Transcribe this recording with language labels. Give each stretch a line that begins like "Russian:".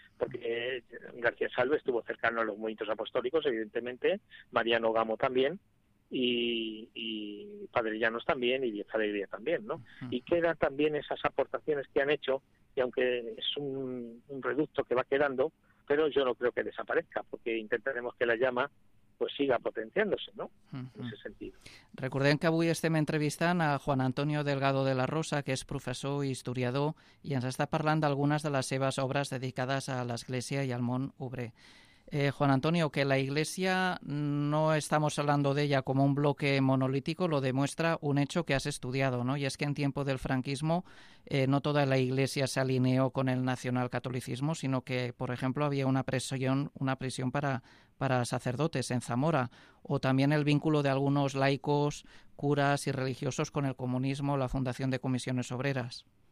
Spanish: Porque García Salve estuvo cercano a los movimientos apostólicos, evidentemente, Mariano Gamo también, y Padre Llanos también, y Díez Alegría también, ¿no? Uh-huh. Y quedan también esas aportaciones que han hecho, y aunque es un reducto que va quedando, pero yo no creo que desaparezca, porque intentaremos que la llama pues siga potenciándose, ¿no? Uh-huh. En ese sentido.
Catalan: Recuerden que avui estem entrevistant a Juan Antonio Delgado de la Rosa, que és professor i historiador, i ens està parlant d'algunes de les seves obres dedicades a l'Església i al món obrer.
Spanish: Juan Antonio, que la Iglesia no estamos hablando de ella como un bloque monolítico, lo demuestra un hecho que has estudiado, ¿no? Y es que en tiempo del franquismo no toda la Iglesia se alineó con el nacionalcatolicismo, sino que, por ejemplo, había una prisión para sacerdotes en Zamora, o también el vínculo de algunos laicos, curas y religiosos con el comunismo, la fundación de comisiones obreras.